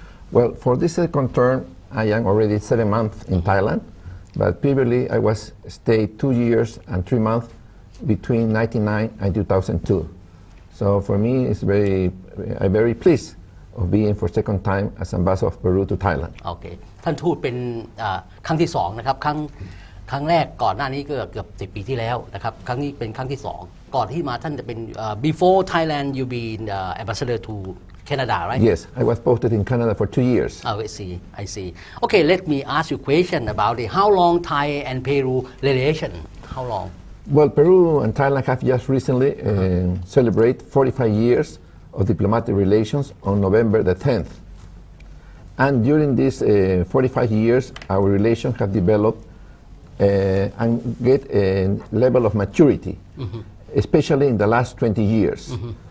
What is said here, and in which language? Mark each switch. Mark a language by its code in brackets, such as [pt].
[en] Well for this second term I am already 7 months in Thailand but previously I was stayed 2 years and 3 months between 1999 and 2002 so for me it's very I'm very pleased of being for second time as ambassador of Peru to Thailand [th] okay ท่านทูตเป็นครั้งที่2นะครับครั้งแรกก่อนหน้านี้ก็เกือบ10ปีที่แล้วนะครับครั้งนี้เป็นครั้งที่2ก่อนที่มาท่านจะเป็น [en] before Thailand you be ambassador toCanada, right? Yes, I was posted in Canada for 2 years. Oh, I see. Okay, let me ask you a question about it. How long Thai and Peru relation? How long? Well, Peru and Thailand have just recently celebrated 45 years of diplomatic relations on November the 10th. And during these 45 years, our relations have developed and get a level of maturity, especially in the last 20 years. Mm-hmm.